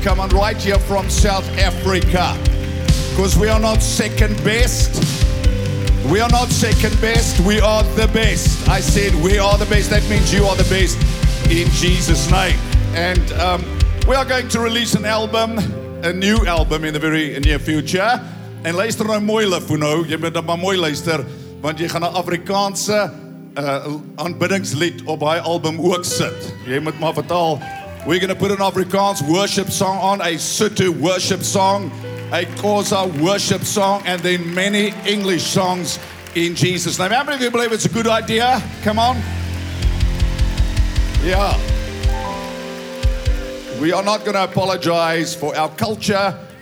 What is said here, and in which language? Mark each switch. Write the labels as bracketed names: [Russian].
[English] Come on, right here from South Africa, because we are not second best. We are not second best, we are the best. I said we are the best, that means you are the best, in Jesus' name. And we are going to release an album, a new album in the very near future. [Afrikaans] And luister nou mooi, Lefuno, jy moet nou mooi luister, want jy gaan 'n Afrikaanse aanbiddingslied op hy album ook sit. Jy moet maar vertaal, [English] we're gonna put an Afrikaans worship song on, a Sotho worship song, a Khoza worship song, and then many English songs in Jesus' name. How many of you believe it's a good idea? Come on. Yeah. We are not going to apologize for our culture.